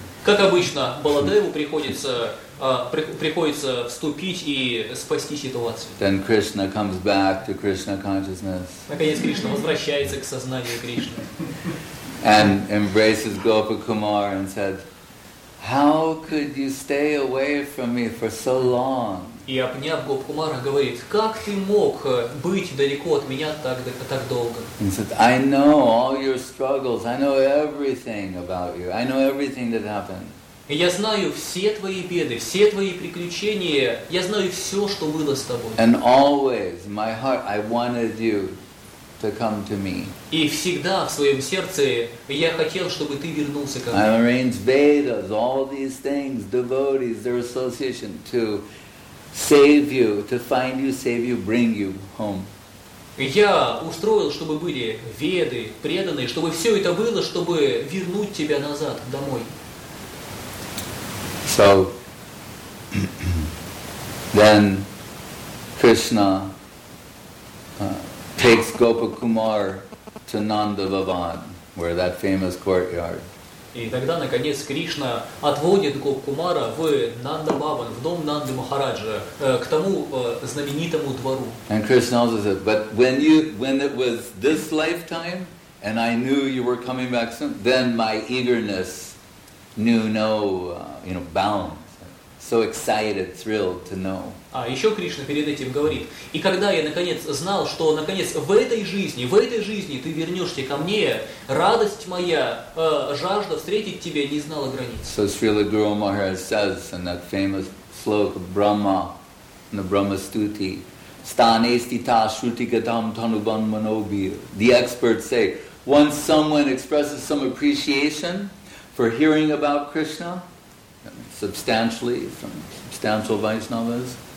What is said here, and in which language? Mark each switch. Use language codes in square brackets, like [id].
[ru] Как обычно, Баладеву приходится приходится вступить и спасти ситуацию. [en] Then Krishna comes back to Krishna consciousness. [ru] Наконец Кришна возвращается к сознанию Кришны. [en] And embraces Gopa Kumar and said, "How could you stay away from me for so long?" [ru] И обняв Гопа Кумара, говорит, как ты мог быть далеко от меня так долго? [en] He said, "I know all your struggles. I know everything about you. I know everything that happened." [ru] Я знаю все твои беды, все твои приключения. Я знаю все, что было с тобой. [en] And always, my heart, I wanted you to come to me. [ru] И всегда в своем сердце я хотел, чтобы ты вернулся ко мне. [en] I arranged Vedas, all these things, devotees, their association to save you, to find you, save you, bring you home. [ru] Я устроил, чтобы были Веды, преданные, чтобы все это было, чтобы вернуть тебя назад, домой. [en] So then Krishna takes Gopa Kumar to Nanda Bhavan, where that famous courtyard. [ru] И тогда наконец Кришна отводит Гопа Кумара в Нанда Бхаван, в дом Нанды Махараджа, к тому знаменитому двору. [en] And Krishna also said, but when it was this lifetime and I knew you were coming back soon, then my eagerness knew no bounds, so excited, thrilled to know. [ru] А еще Кришна перед этим говорит, и когда я наконец знал, что наконец в этой жизни ты вернешься ко мне, радость моя, жажда встретить тебя не знала границ. [en] So Srila Guru Maharaj says in that famous slok of Brahma, in the Brahma Stuti, [sa] Stanesti ta shruti gatam tanuban manobir. [en] The experts say, once someone expresses some appreciation for hearing about Krishna, substantially, from substantial Vaishnavas.